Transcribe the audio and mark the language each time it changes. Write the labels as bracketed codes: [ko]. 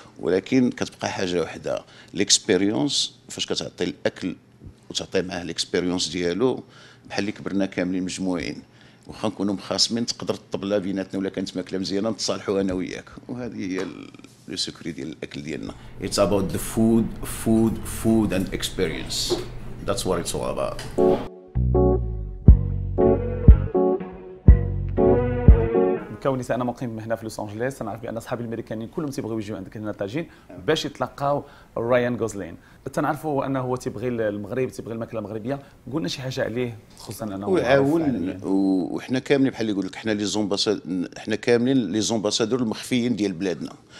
[ar] ولكن كتبقى حاجه وحده ليكسبيريونس، فاش كتعطي الاكل وتعطي معاه ليكسبيريونس ديالو، بحال اللي كبرنا كاملين مجموعين، واخا نكونوا مخاصمين تقدر الطبله بيناتنا ولا كانت ماكله مزيانه نتصالحوا انا وياك، وهذه هي [fr] لو سكري [ar] ديال الاكل ديالنا. [en] It's about the food, food, food and experience. That's what it's all about. [ar] كوني انا مقيم هنا في لوس انجلوس، انا عارف بان اصحابي الامريكانيين كلهم تيبغيو يجيو عندك هنا للطاجين باش يتلقاو رايان غوزلين. تنعرفوا انه هو تيبغي المغرب، تيبغي الماكله المغربيه، قلنا شي حاجه عليه خصوصا انا وعاون. وحنا كاملين بحال اللي يقول لك حنا [fr] لي زومباساد، [ar] حنا كاملين [fr] لي زومباسادور [ar] المخفيين ديال بلادنا.